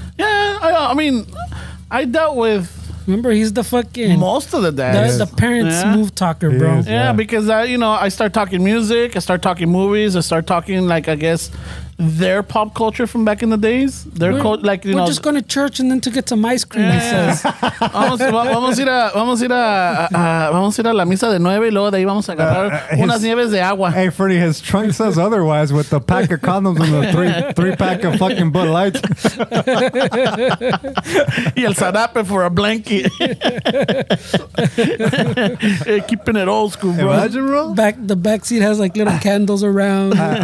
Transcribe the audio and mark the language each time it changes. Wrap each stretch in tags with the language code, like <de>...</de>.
<en>Yeah, I mean, I dealt with, remember, he's the fucking most of the dads. That is the parents' smooth talker, bro. Yeah, because I start talking music, I start talking movies, I start talking like, I guess, their pop culture from back in the days. We're just going to church and then to get some ice cream. Yeah. He says,</en> <es>"Vamos a ir a la misa de nueve y luego de ahí vamos a agarrar unas nieves de agua."</es> <en>Hey, Freddy, his trunk says otherwise with the pack of condoms and the three pack of fucking Bud Lights.</en> <es>Y el zarape</es> <en>for a blanket. Hey, keeping it old school, bro. Imagine, bro. The back seat has like little candles around.</en>